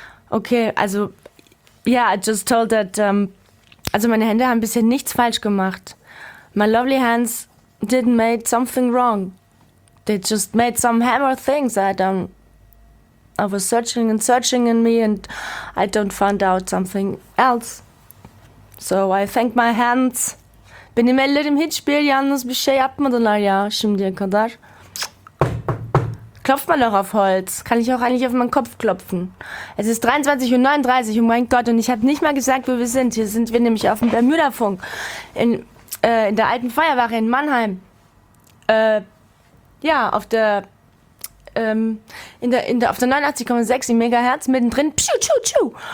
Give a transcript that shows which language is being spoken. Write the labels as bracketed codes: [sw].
[en] Okay, also, yeah, I just told that, also [de] meine Hände haben bisher nichts falsch gemacht. [en] My lovely hands didn't make something wrong. They just made some hammer things. I was searching and searching in me and I don't find out something else. So I thank my hands. [tr] Benim ellerim hiçbir yalnız bir şey yapmadılar ya şimdiye kadar. [de] Klopf mal doch auf Holz. Kann ich auch eigentlich auf meinen Kopf klopfen? Es ist 23.39 Uhr, oh mein Gott, und ich habe nicht mal gesagt, wo wir sind. Hier sind wir nämlich auf dem Bermuda-Funk in der alten Feuerwache in Mannheim. Ja, auf der, auf der 89,6 im Megahertz mittendrin. Pschu, tschu, tschu.